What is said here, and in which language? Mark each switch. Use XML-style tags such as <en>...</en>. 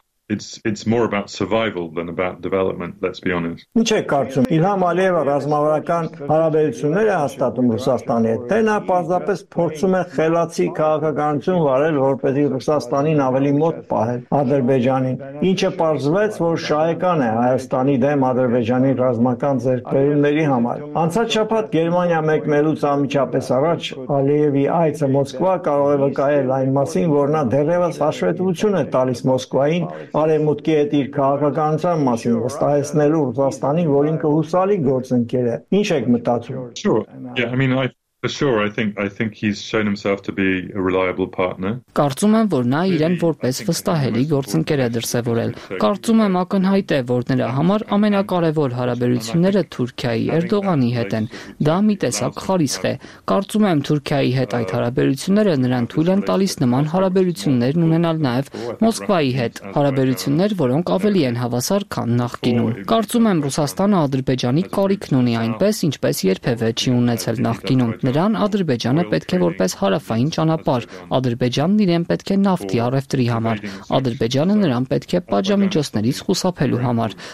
<en>It's more about survival than about development, let's be honest.</en> <hy>Ինչ է կարծում, Իլհամ Ալիևը ռազմավարական հարաբերություններ է հաստատում Ռուսաստանի հետ, թե նա պարզապես փորձում է խելացի քաղաքականություն վարել, որպեսզի Ռուսաստանին ավելի մոտ պահել Ադրբեջանին, ինչը պարզվեց, որ շահեկան է Հայաստանի դեմ Ադրբեջանի ռազմական ձեռքբերումների համար։ Անցած շաբաթ Գերմանիա մեկնելուց անմիջապես առաջ Ալիևի այցը Մոսկվա կարող է վկայել այն մասին, որ նա դեռևս հաշվետվություն է տալիս Մոսկվային Արևմուտքի հետ իր քաղաքականության մասին, վստահեցնելու Ռուսաստանին, որ ինքը հուսալի գործընկեր է։ Ինչ եք մտածում։</hy> <en>I think he's shown himself to be a reliable partner.</en> <hy>Կարծում եմ, որ նա իրեն որպես վստահելի գործընկեր է դրսևորել։ Կարծում եմ, ակնհայտ է, որ նրա համար ամենակարևոր հարաբերությունները Թուրքիայի Էրդողանի հետ են։ Դա մի տեսակ խարիսխ է։ Կարծում եմ, Թուրքիայի հետ այդ հարաբերությունները նրան թույլ են տալիս նման հարաբերություններ ունենալ նաև Մոսկվայի հետ, հարաբերություններ, որոնք ավելի են հավասար, քան նախկինում։ Կարծում եմ, Ռուսաստանը Ադրբեջանի կարիքն ունի այնպես, ինչպես երբևէ չի ունեցել նախկինում։ Նրան Ադրբեջանը պետք է որպես հարավային ճանապարհ, Ադրբեջանն իրեն պետք է նավթի առևտրի համար, Ադրբեջանը նրան պետք է պատժամիջոցներից խուսափելու համար,</hy>